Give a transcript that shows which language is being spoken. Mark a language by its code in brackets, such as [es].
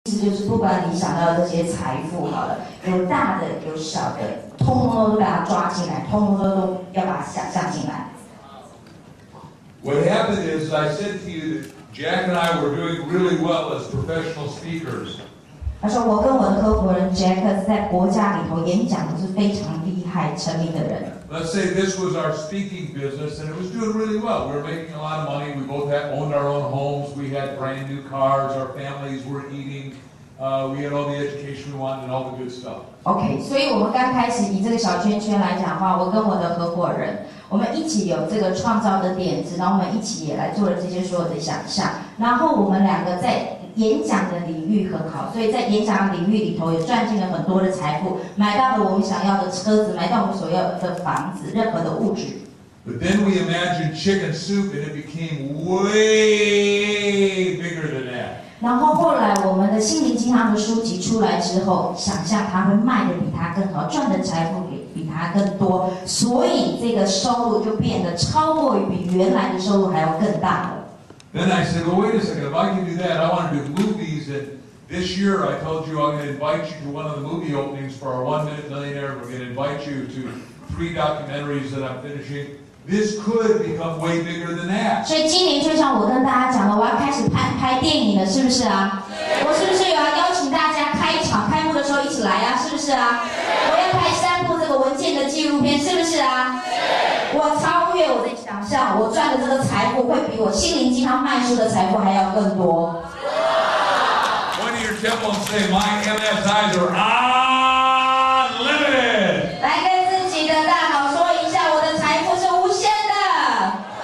[zh] 思就是，不管你想到的这些财富好了，有大的有小的，通通都把它抓进来，通通都要把它想象进来。 [en] What happened is, I said to you that Jack and I were doing really well as professional speakers. [zh] 他说我跟我的合伙人 Jack 在国家里头演讲是非常厉害、成名的人。 [en] Let's say this was our speaking business, and it was doing really well. We were making a lot of money. We both had owned our own homes. We had brand new cars. Our families were eating. We had all the education we wanted and all the good stuff. [zh] Okay, 所以我们刚开始以这个小圈圈来讲的话，我跟我的合伙人，我们一起有这个创造的点子，然后我们一起也来做了这些所有的想象。然后我们两个在演讲的领域很好，所以在演讲的领域里头也赚进了很多的财富，买到了我们想要的车子，买到我们所要的房子，任何的物质。 [en] But then we imagined chicken soup, and it became way bigger than that. [zh] 然后后来我们的心灵鸡汤的书籍出来之后，想象它会卖的比它更好，赚的财富比它更多，所以这个收入就变得超过比原来的收入还要更大了。 [en] Then I said, well, wait a second, if I can do that, I want to do movies, and this year I told you I'm going to invite you to one of the movie openings for our One Minute Millionaire, we're going to invite you to three documentaries that I'm finishing. This could become way bigger than that. [zh] 所以今年就像我跟大家讲了，我要开始 拍电影了，是不是啊？我是不是有要邀请大家开场开幕的时候一起来啊，是不是啊？我要拍三部这个文件的纪录片，是不是啊？我超越我的想象，我赚的这个财富会比我心灵鸡汤卖书的财富还要更多。 [en] One of your temples say, my MSIs are unlimited. [zh] 来跟自己的大脑说一下，我的财富是无限的。